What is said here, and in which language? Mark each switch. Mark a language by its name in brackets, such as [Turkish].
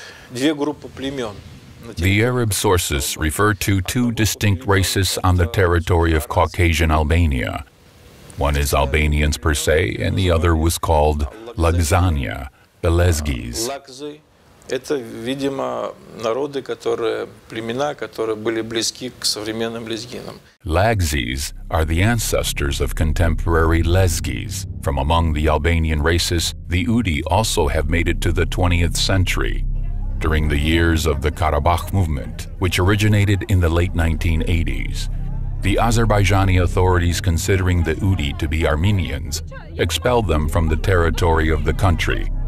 [English] The Arab sources refer to two distinct races on the territory of Caucasian Albania. One is Albanians per se, and the other was called Lakzania, Belezgis. [Russian] Это, видимо, народы, которые племена, которые были близки к современным лезгинам. [English] Lakzis are the ancestors of contemporary Lezgis. From among the Albanian races, the Udi also have made it to the 20th century. During the years of the Karabakh movement, which originated in the late 1980s, the Azerbaijani authorities, considering the Udi to be Armenians, expelled them from the territory of the country.